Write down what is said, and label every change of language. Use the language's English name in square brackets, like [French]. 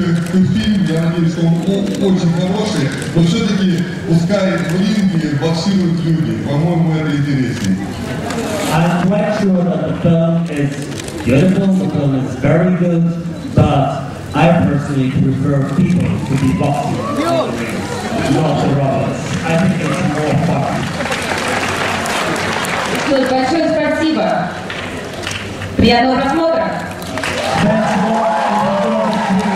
[Russian] Очень хороший, но все-таки пускай в ринге боксируют люди. По-моему, это интереснее. [English] I'm quite sure that the film is beautiful, the film is very good, but I personally prefer people to be boxing, not the robots. I think it's more fun. [Russian] Большое спасибо. Спасибо. Я хочу сказать, что приятно рассмотреть.